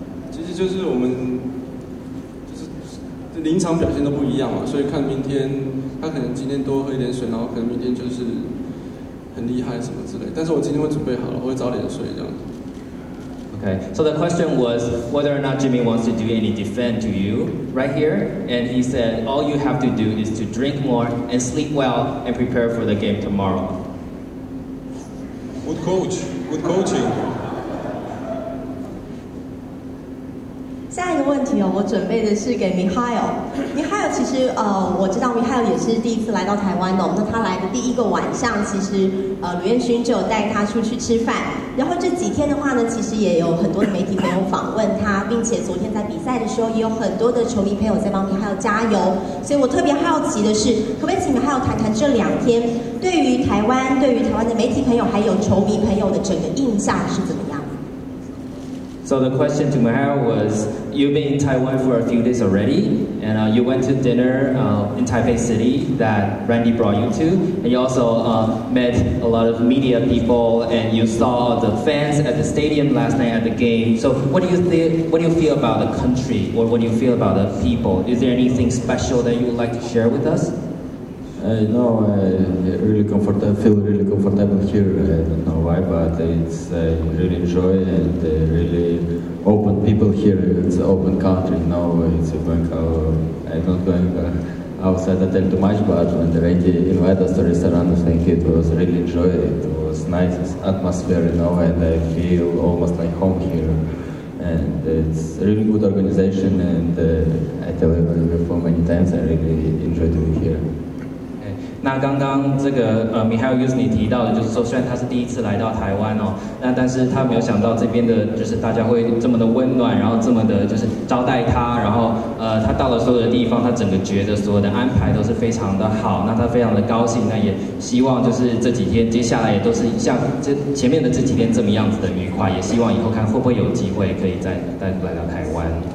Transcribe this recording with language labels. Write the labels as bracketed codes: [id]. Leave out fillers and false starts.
[zh] 其实就是我们临场表现都不一样嘛，所以看明天，他可能今天多喝一点水，然后可能明天就是很厉害什么之类，但是我今天会准备好了，我会早点睡这样子。 [en] Okay, so the question was whether or not Jimmy wants to do any defense to you right here, and he said all you have to do is to drink more and sleep well and prepare for the game tomorrow. Good coach, good coaching. [zh] 下一个问题哦，我准备的是给 Mikhail。Mikhail 其实我知道 Mikhail 也是第一次来到台湾的，那他来的第一个晚上，其实卢彦勋就有带他出去吃饭。然后这几天的话呢，其实也有很多的媒体朋友访问他，并且昨天在比赛的时候，也有很多的球迷朋友在帮 Mikhail 加油。所以我特别好奇的是，可不可以请 Mikhail 谈谈这两天对于台湾、对于台湾的媒体朋友还有球迷朋友的整个印象是怎么样？ [en] So the question to Mikhail was, you've been in Taiwan for a few days already, and you went to dinner in Taipei City that Randy brought you to, and you also met a lot of media people, and you saw the fans at the stadium last night at the game. So what do you feel about the country, or what do you feel about the people? Is there anything special that you would like to share with us? No, I feel really comfortable here. I don't know why, but it's really enjoy and really open people here. It's an open country. No, it's going out. I'm not going outside the hotel too much, but when Randy invited us to restaurant, I think it was really enjoy. It was nice atmosphere, you know, and I feel almost like home here. And it's really good organization, and I tell you before many times, I really enjoy doing here. [zh] 那刚刚这个Mikhail Yuzny 提到的，就是说虽然他是第一次来到台湾哦，那但是他没有想到这边的就是大家会这么的温暖，然后这么的就是招待他，然后他到了所有的地方，他整个觉得所有的安排都是非常的好，那他非常的高兴，那也希望就是这几天接下来也都是像这前面的这几天这么样子的愉快，也希望以后看会不会有机会可以再来到台湾。